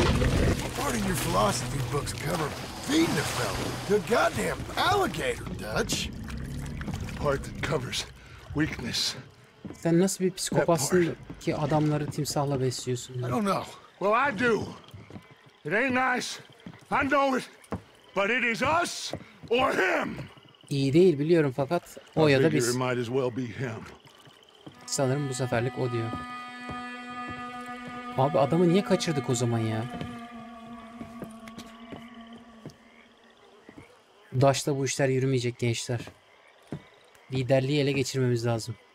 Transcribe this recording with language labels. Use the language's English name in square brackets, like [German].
[English] According to your philosophy books cover feeding a fellow, the goddamn alligator, Dutch. The part that covers weakness. [Turkish] Sen nasıl bir psikopatsın ki adamları timsahla besliyorsun? [English] I don't know. Well, I do. It ain't nice. I know it, but it is us or him. [Turkish] İyi değil biliyorum fakat o ya da biz. [English] It might as well be him. [Turkish] Sanırım bu seferlik o diyor. Abi adamı niye kaçırdık o zaman ya? Daş'ta bu işler yürümeyecek gençler. Liderliği ele geçirmemiz lazım.